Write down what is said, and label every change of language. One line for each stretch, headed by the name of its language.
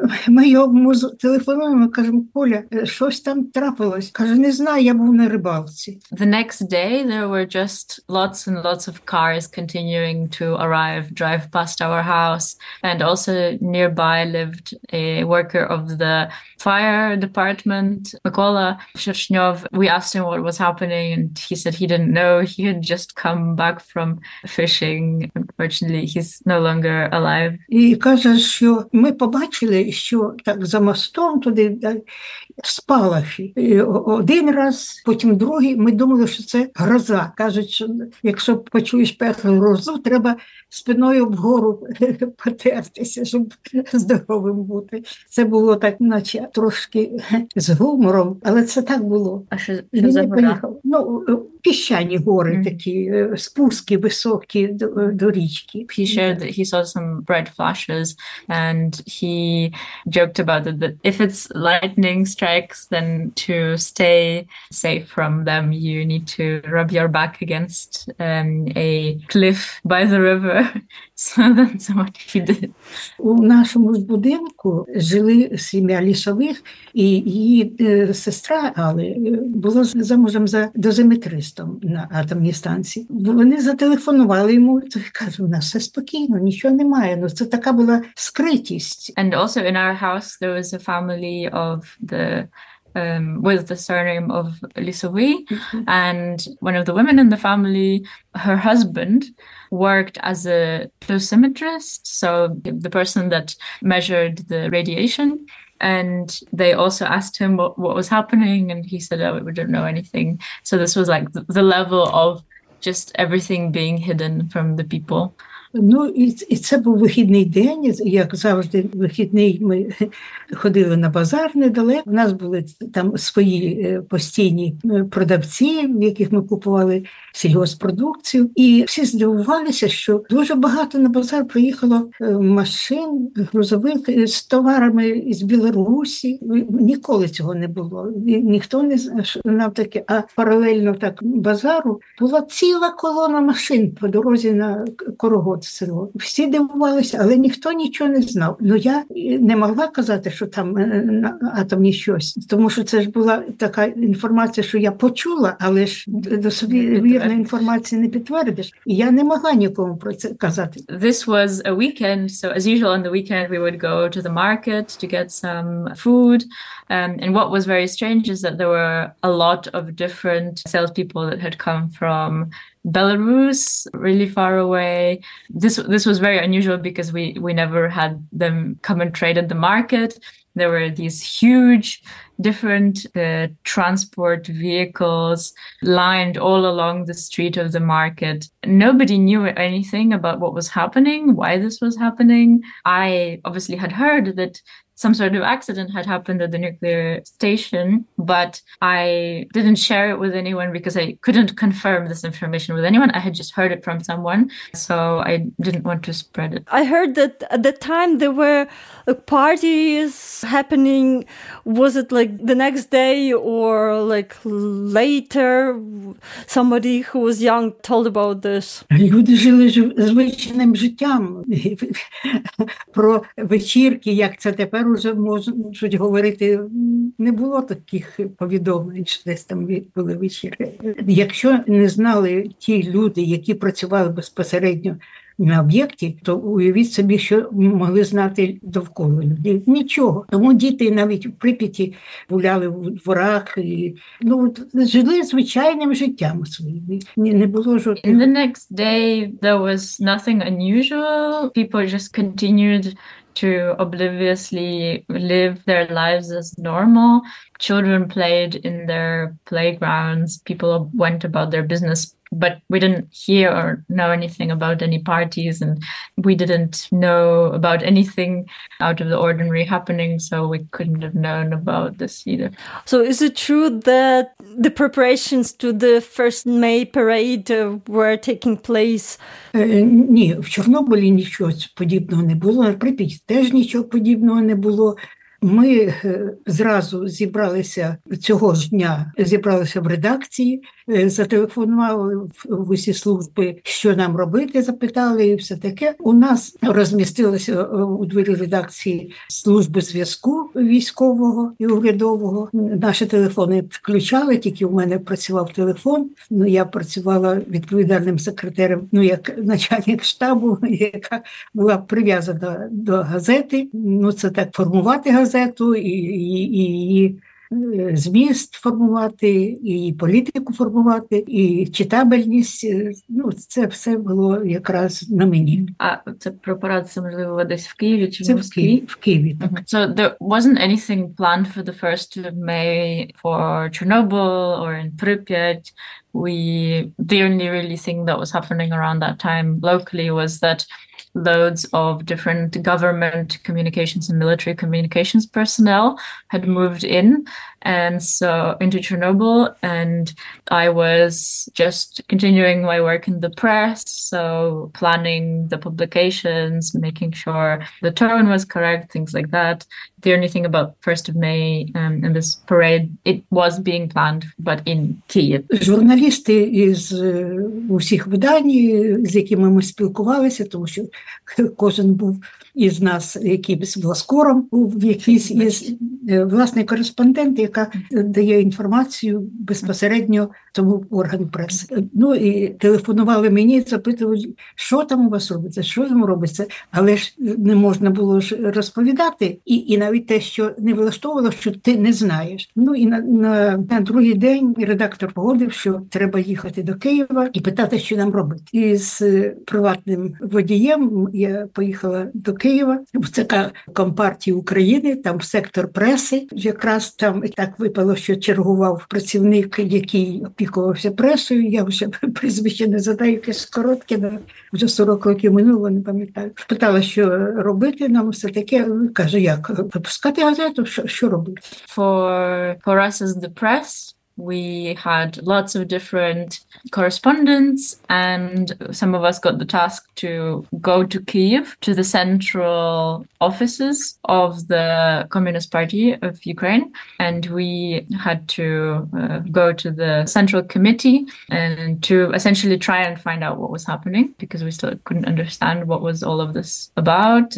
Ukrainian: Ми йому телефонуємо, кажемо, Коля, щось там трапилось. Каже, не знаю, я був на рибалці.
English: The next day there were just lots and lots of cars continuing to arrive, drive past our house, and also nearby lived a worker of the fire department, Микола Шершньов. We asked him what was happening, and he said he didn't know. He had just come back from fishing. Unfortunately, he's no longer alive.
Ukrainian: І каже, що ми побачили, що так за мостом туди спалахи. Один раз, потім другий, ми думали, що це гроза. Кажуть, що якщо почуєш першу грозу, треба спиною вгору потертися, щоб здоровим бути. Це було так, наче трошки з гумором, але це так було. А що за гора? Ну, піщані гори такі, спуски високі до річки.
English: He shared that he saw some red flashes and he joked about it, that if it's lightning strikes, then to stay safe from them, you need to rub your back against a cliff by the river. So that's what he did.
Ukrainian: У нашому будинку жили сім'я лісових, і її сестра Але була замужем за дозиметристом на атомній станції. Вони зателефонували йому, то кажуть, у нас все спокійно, нічого немає. Ну, це така була скритість.
English: And also in our house there was a family of the with the surname of Лісовий, and one of the women in the family, her husband worked as a dosimetrist, so the person that measured the radiation, and they also asked him what was happening, and he said, oh, we don't know anything. So this was like the level of just everything being hidden from the people.
Ukrainian: Ну, і це був вихідний день, як завжди вихідний, ми ходили на базар недалеко. У нас були там свої постійні продавці, в яких ми купували сільгоспродукцію. І всі здивувалися, що дуже багато на базар приїхало машин грузових з товарами із Білорусі. Ніколи цього не було, ніхто не знав таке. А паралельно так базару була ціла колона машин по дорозі на Корогод. Всі дивувалися, але ніхто нічого не знав. Ну, я не могла казати, що там атомні щось, тому що це ж була така інформація, що я почула, але ж до собі вірної інформації не підтвердиш. І я не могла нікому про це казати.
English: This was a weekend, so as usual on the weekend we would go to the market to get some food. And what was very strange is that there were a lot of different salespeople that had come from Belarus, really far away. This was very unusual because we never had them come and trade at the market. There were these huge different transport vehicles lined all along the street of the market. Nobody knew anything about what was happening, why this was happening. I obviously had heard that some sort of accident had happened at the nuclear station, but I didn't share it with anyone because I couldn't confirm this information with anyone. I had just heard it from someone, so I didn't want to spread it. I heard that at the time there were parties happening. Was it like the next day or like later? Somebody who was young told about this.
Ukrainian: Люди жили звичайним життям. Про вечірки, як це тепер вже можуть говорити, не було таких повідомлень, що десь там були вечірки. Якщо не знали ті люди, які працювали безпосередньо на об'єкті, то уявіть собі, що могли знати довкола людей. Нічого. Тому діти навіть в Прип'яті гуляли у дворах. І, ну, жили звичайним життям своїм. Не було жодного.
English: In the next day there was nothing unusual. People just continued to obliviously live their lives as normal. Children played in their playgrounds. People went about their business. But we didn't hear or know anything about any parties, and we didn't know about anything out of the ordinary happening, so we couldn't have known about this either. So is it true that the preparations to the first May parade were taking place?
Ukrainian: Ні, в Чорнобилі нічого подібного не було, в Прип'яті теж нічого подібного не було. Ми зразу зібралися цього ж дня, зібралися в редакції, зателефонували в усі служби, що нам робити, запитали і все таке. У нас розмістилися у двері редакції служби зв'язку військового і урядового. Наші телефони включали, тільки у мене працював телефон. Ну, я працювала відповідальним секретарем, ну, як начальник штабу, яка була прив'язана до газети. Ну, це так, формувати газету і зміст формувати, і політику формувати, і читабельність. Ну, це все було якраз на мені. А це препарація, можливо, десь в Києві? Чи це в Києві, так. Mm-hmm.
English: So there wasn't anything planned for the 1st of May for Chernobyl or in Pripyat. The only really thing that was happening around that time locally was that loads of different government communications and military communications personnel had moved in, and so into Chernobyl, and I was just continuing my work in the press, so planning the publications, making sure the tone was correct, things like that. The only thing about 1st of May and this parade, it was being planned, but in Kyiv.
Ukrainian: Журналісти із усіх видань, з якими ми спілкувалися, тому що кожен був із нас, якийсь власкором, в якийсь із власний кореспондент, яка дає інформацію безпосередньо тому органу преси. Ну і телефонували мені, запитували, що там у вас робиться, що там робиться. Але ж не можна було ж розповідати. І навіть те, що не влаштовувало, що ти не знаєш. Ну і на другий день редактор погодив, що треба їхати до Києва і питати, що нам робити. І з приватним водієм я поїхала до Києва в ЦК Компартії України, там в сектор преси. Якраз там і так випало, що чергував працівник, який опікувався пресою. Я вже прізвище не задаю, якесь коротке, вже 40 років минуло, не пам'ятаю. Питала, що робити нам, все таке. Каже, як, випускати газету, що робити?
English: For us as the press, we had lots of different correspondents, and some of us got the task to go to Kyiv to the central offices of the Communist Party of Ukraine, and we had to go to the central committee and to essentially try and find out what was happening, because we still couldn't understand what was all of this about.